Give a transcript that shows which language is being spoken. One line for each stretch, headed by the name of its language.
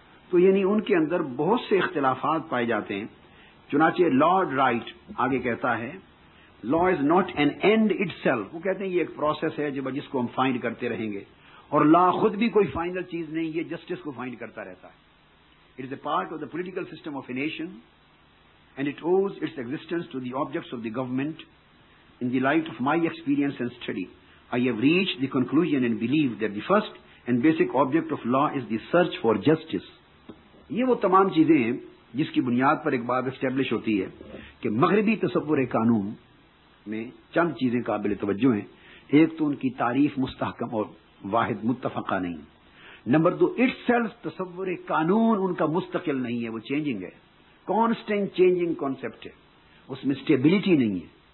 Urdu: تو یعنی ان کے اندر بہت سے اختلافات پائے جاتے ہیں. چنانچہ لارڈ رائٹ آگے کہتا ہے
English: Law is not an end itself.
Urdu: وہ کہتے ہیں یہ ایک پروسیس ہے جس کو ہم فائنڈ کرتے رہیں گے, اور لا خود بھی کوئی فائنل چیز نہیں, یہ جسٹس کو فائنڈ کرتا رہتا ہے.
English: It is a part of the political system of a nation and it owes its existence to the objects of the government. In the light of my experience and study, I have reached the conclusion and believe that the first and basic object of law is the search for justice.
Urdu: یہ وہ تمام چیزیں ہیں جس کی بنیاد پر ایک بات اسٹیبلش ہوتی ہے کہ مغربی تصور قانون میں چند چیزیں قابل توجہ ہیں. ایک تو ان کی تعریف مستحکم اور واحد متفقہ نہیں. نمبر دو, اٹ سیلف تصور قانون ان کا مستقل نہیں ہے, وہ چینجنگ ہے, کانسٹنٹ چینجنگ کانسیپٹ ہے, اس میں اسٹیبلٹی نہیں ہے.